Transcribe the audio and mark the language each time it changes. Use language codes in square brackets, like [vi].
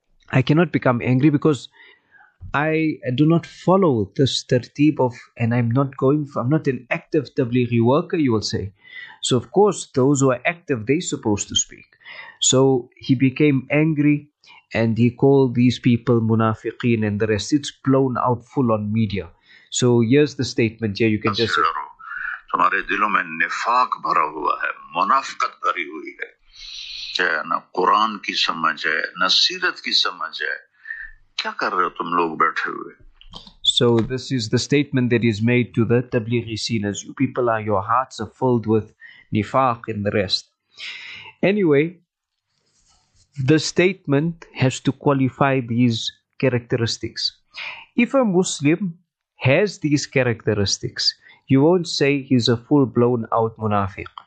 [en] I cannot become angry because I do not follow this tartib of, and I'm not an active tablighi worker, you will say. So of course, those who are active, they're supposed to speak. So he became angry and he called these people munafiqeen and the rest. It's blown out full on media. So here's the statement here. You can just say, [ur] تمہارے دلوں میں نفاق بھرا ہوا ہے, منافقت بھری ہوئی ہے, نہ قرآن کی سمجھ ہے نہ سیرت کی سمجھ ہے, کیا کر رہے ہو تم لوگ بیٹھے ہوئے. [en] So this is the statement that is made to the tablighi sinners. You people are, your hearts are filled with nifaq and the rest. Anyway, the statement has to qualify these characteristics. If a Muslim has these characteristics, you won't say he's a full-blown out munafiq.